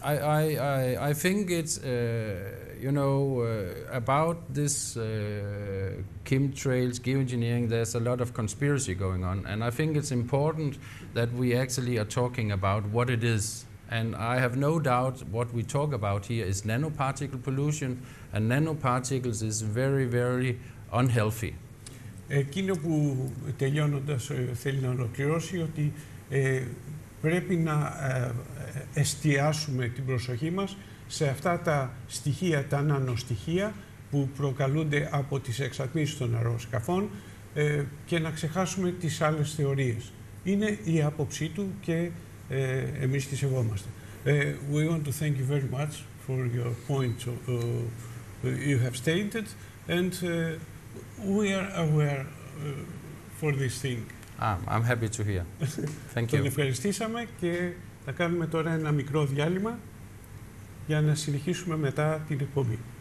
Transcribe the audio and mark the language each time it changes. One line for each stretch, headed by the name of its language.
English: I think it's about this chemtrails, geoengineering, there's a lot of conspiracy going on, and I think it's important that we actually are talking about what it is. And I have no doubt what we talk about here is nanoparticle pollution, and nanoparticles is very, very unhealthy.
Greek: Εκείνο που τελειώνοντας θέλει να ολοκληρώσει ότι πρέπει να εστιάσουμε την προσοχή μας σε αυτά τα στοιχεία, τα νανοστοιχεία που προκαλούνται από τις εξατμίσεις των αεροσκαφών, και να ξεχάσουμε τις άλλες θεωρίες. Είναι η άποψή του και εμείς τη σεβόμαστε.
English: We want to thank you very much for your points you have stated, and we are aware for this thing. I'm happy to hear. Thank you.
Greek: Τον ευχαριστήσαμε και θα κάνουμε τώρα ένα μικρό διάλειμμα για να συνεχίσουμε μετά την εκπομπή.